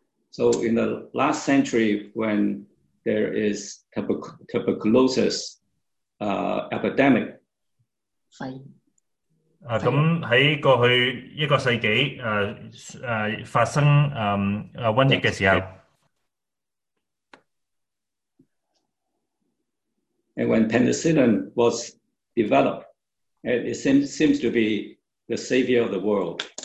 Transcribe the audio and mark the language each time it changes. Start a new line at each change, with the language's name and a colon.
English: So in the last century, when there is tuberculosis epidemic,
Chinese: 在过去一个世纪发生瘟疫的时候，
English: And when penicillin was developed, and it seems to be the savior of the world.